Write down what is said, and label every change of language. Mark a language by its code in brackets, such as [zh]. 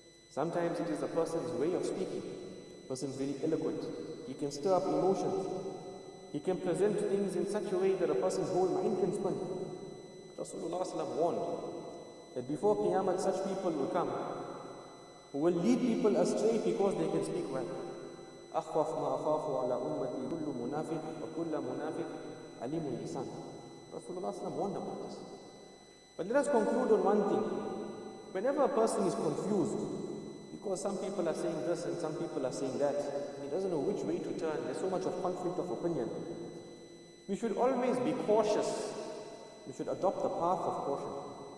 [en] Sometimes it is a person's way of speaking. A person's very eloquent. He can stir up emotions. He can present things in such a way that a person's whole mind can spin. Rasulullah warned that before Qiyamah, such people will come who will lead people astray because they can speak well. [ar] أخوف ما أخاف على أمتي كل منافق وكل منافق عليم لسان. [en] Rasulullah warned about this. But let us conclude on one thing. Whenever a person is confused, because some people are saying this and some people are saying that, he doesn't know which way to turn, there's so much of conflict of opinion. We should always be cautious. We should adopt the path of caution.